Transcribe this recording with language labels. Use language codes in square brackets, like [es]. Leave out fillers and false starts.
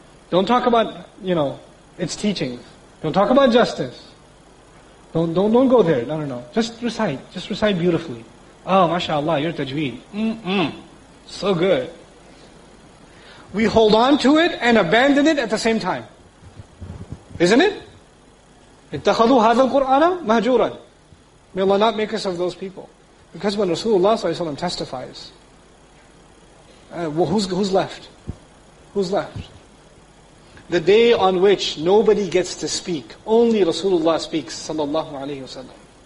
[en] Don't talk about, you know, its teachings. Don't talk about justice. Don't go there, no. Just recite beautifully. Oh, mashallah, your tajweed. So good. We hold on to it and abandon it at the same time. Isn't it? [ar] اتخذوا هذا القرآن مهجورا. [en] May Allah not make us of those people. Because when Rasulullah ﷺ testifies, who's left? Who's left? The day on which nobody gets to speak, only Rasulullah speaks, sallallahu alayhi wa sallam.